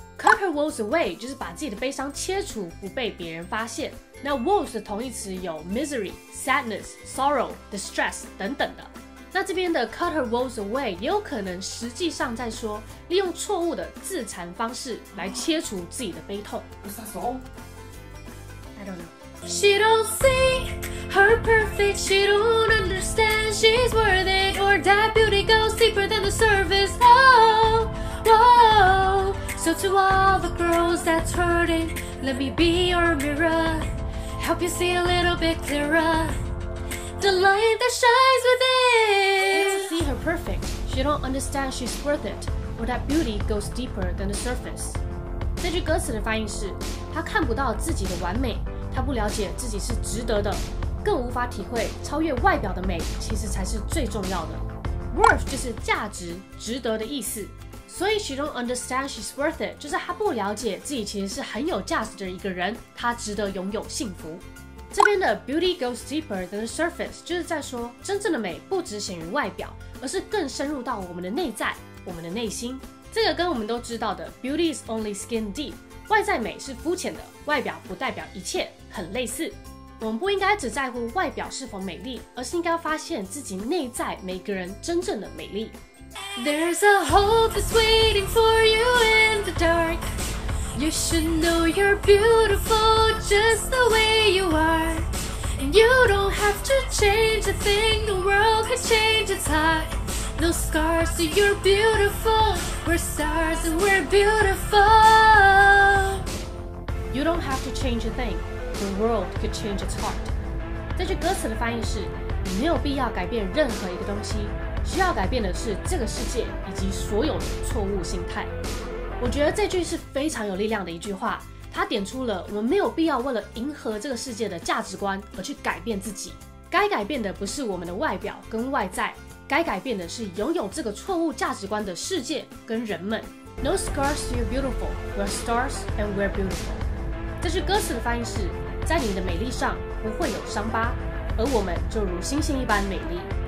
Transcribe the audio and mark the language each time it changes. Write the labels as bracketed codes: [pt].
[en] Cut her woes away [zh] 就是把自己的悲伤切除，不被别人发现。那 woes 的同义词有 misery、sadness、sorrow、distress 等等的。那这边的 [en] cut her woes away [zh] 也有可能实际上在说利用错误的自残方式来切除自己的悲痛。不是他说 [en] I don't know. She don't see her perfect, she don't understand she's worth it, or that beauty goes deeper than the surface. Oh, oh. So to all the girls that's hurting, let me be your mirror, help you see a little bit clearer. The light that shines within. She doesn't see her perfect. She don't understand she's worth it, or that beauty goes deeper than the surface. [zh] 这句歌词的翻译是：她看不到自己的完美，她不了解自己是值得的，更无法体会超越外表的美其实才是最重要的。 Worth 就是价值、值得的意思。所以 [en] she don't understand she's worth it [zh] 就是她不了解自己其实是很有价值的一个人，她值得拥有幸福。这边的 [en] beauty goes deeper than the surface [zh] 就是在说真正的美不只显于外表，而是更深入到我们的内在、我们的内心。这个跟我们都知道的 [en] beauty is only skin deep [zh] 外在美是肤浅的，外表不代表一切，很类似。我们不应该只在乎外表是否美丽，而是应该发现自己内在每个人真正的美丽。 [en] There's a hope that's waiting for you in the darkYou should know you're beautiful just the way you are. And you don't have to change a thing. The world could change its heart. No scars, so you're beautiful. We're stars and we're beautiful. You don't have to change a thing. The world could change its heart. [zh] 这句歌词的翻译是：你没有必要改变任何一个东西，需要改变的是这个世界以及所有的错误心态。我觉得这句是非常有力量的一句话，它点出了我们没有必要为了迎合这个世界的价值观而去改变自己。该改变的不是我们的外表跟外在，该改变的是拥有这个错误价值观的世界跟人们。 [en] No scars, you're beautiful. We're stars and we're beautiful. [zh] 这句歌词的翻译是：在你的美丽上不会有伤疤，而我们就如星星一般美丽。